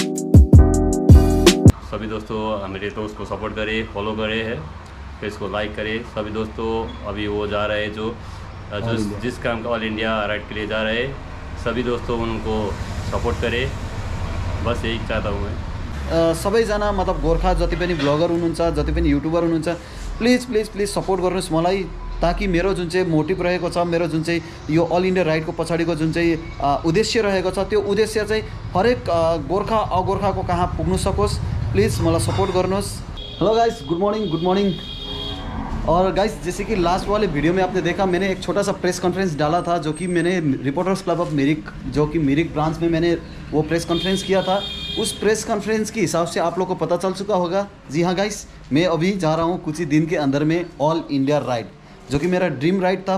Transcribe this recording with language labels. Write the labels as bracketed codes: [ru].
[hi] दोस्तों मेरे दोस्त को सपोर्ट करे, फॉलो करे है, फिर इसको लाइक करे। सभी दोस्तों अभी वो जा रहे हैं जो जिस काम का ऑल इंडिया राइड के लिए जा रहे हैं, सभी दोस्तों उनको सपोर्ट करे, बस यही चाहता हूँ मैं। [ne] सबैजना मतलब गोर्खा जति पनि ब्लगर हुनुहुन्छ, जति पनि युट्युबर हुनुहुन्छ, प्लिज प्लिज प्लिज सपोर्ट गर्नुहोस् मलाई, ताकि मेरो जुन चाहिँ मोटिभ रहेको छ, मेरो जुन चाहिँ यो अल इन्डिया राइडको पछाडिको जुन चाहिँ उद्देश्य रहेको छ, त्यो उद्देश्य चाहिँ हरेक गोर्खा अगोर्खाको कहाँ पुग्न सकोस्, प्लिज मलाई सपोर्ट गर्नुहोस्। [en] Hello guys, good morning, good morning. [hi] और गाइस, जैसे कि लास्ट वाले वीडियो में आपने देखा, मैंने एक छोटा सा प्रेस कॉन्फ्रेंस डाला था, जो कि मैंने रिपोर्टर्स क्लब ऑफ मिरिक, जो कि मिरिक ब्रांच में मैंने वो प्रेस कॉन्फ्रेंस किया था। उस प्रेस कॉन्फ्रेंस के हिसाब से आप लोगों को पता चल चुका होगा, जी हाँ गाइस, मैं अभी जा रहा हूँ कुछ ही दिन के अंदर में ऑल इंडिया राइड, जो कि मेरा ड्रीम राइड था।